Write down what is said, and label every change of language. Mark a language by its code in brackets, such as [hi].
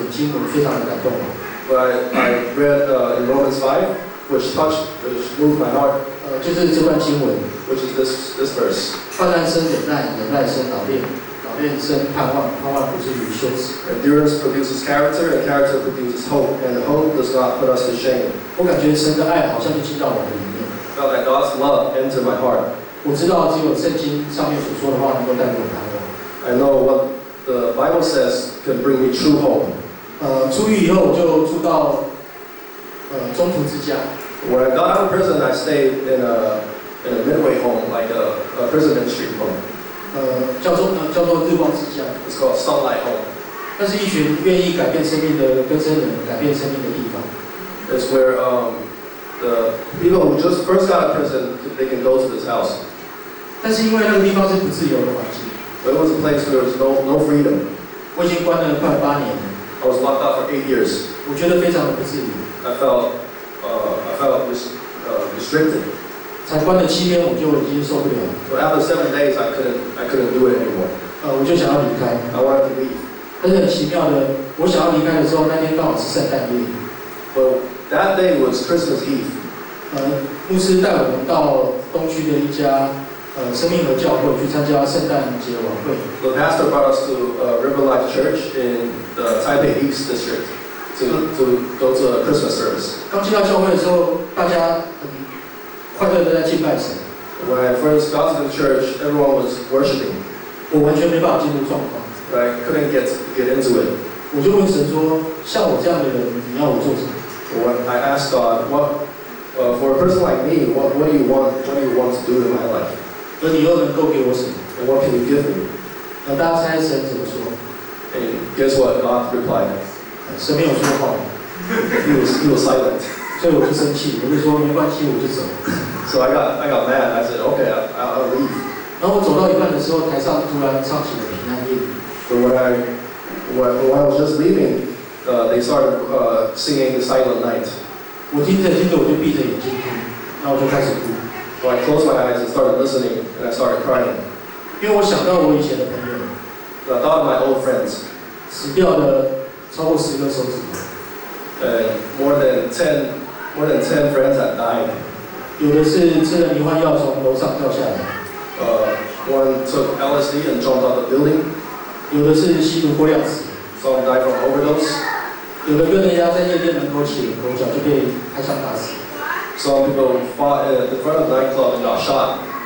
[zh] 但是我有一次在罗马书当中读到卷经，我非常的感动。 [en] But I read in Romans 5, which moved my heart. [zh] 就是这段经文 [en] ，which is this verse. [zh] 患难生忍耐，忍耐生老练，老练生盼望，盼望不至于羞耻。 [en] Endurance produces character, and character produces hope, and hope does not put us to shame. [zh] 我感觉神的爱好像进到我的里面。 [en] felt that God's love entered my heart. [zh] 我知道只有圣经上面所说的话能够带给我盼望。 [en] I know what the Bible says can bring me true hope. [zh] 出狱以后就住到中途之家。 [en] When I got out of prison, I stayed in a midway home, like a prison ministry home. [zh] 叫做日光之家。 [en] It's called Sunlight Home. [zh] 那是一群愿意改变生命的跟生人改变生命的地方。 [en] It's where the people who just first got out of prison, they can go to this house. [zh] 但是因为那个地方是不自由的环境。 [en] But it was a place where there was no freedom. [zh] 我已经关了快八年了。 [en] I was locked out for 8 years. [zh] 我觉得非常的不自由。 [en] I felt restricted. [zh] 才关了七天，我就已经受不了。 [en] So after 7 days, I couldn't do it anymore. [zh] 我就想要离开。 [en] I wanted to leave. [zh] 但是很奇妙的，我想要离开的时候，那天刚好是圣诞夜。 [en] Well, that day was Christmas Eve. [zh] 牧师带我们到东区的一家生命和教会去参加圣诞节晚会。 [en] The pastor brought us to River Life Church in the Taipei East District to go to a Christmas service. [zh] 刚进到教会的时候，大家很快乐的在敬拜神。 [en] When I first got to the church, everyone was worshiping. [zh] 我完全没办法进入状况。 [en] But I couldn't get into it. [zh] 我就问神说：“像我这样的人，你要我做什么？” [en] When I asked God, for a person like me, what do you want to do in my life? [zh] 而你又能够给我什么 [en] ？What can you give me？ [zh] 那大家猜神怎么说 [en] ？And guess what? God replied. [zh] 神没有说话。 [en] He was silent. [zh] 所以我就生气，我就说没关系，我就走。 [en] So I got mad. I said, okay, I'll leave. [zh] 然后我走到一半的时候，台上突然唱起了平安夜。 [en] But when I was just leaving, they started singing Silent Night. [zh] 我听着我就闭着眼睛听，然后我就开始哭。 [en] So I closed my eyes and started listening, and I started crying. [zh] 因为我想到我以前的朋友。 [en] So I thought of my old friends. [zh] 死掉的超过十个手指。 [en] More than ten friends had died. [zh] 有的是吃了迷幻药从楼上掉下来。 [en] One took LSD and jumped out the building. [zh] 有的是吸毒过量死。 [en] Some died from overdose. [zh] 有的跟人家在夜店门口起口角就被开枪打死。 [en] Some people fought at the front of the nightclub and got shot.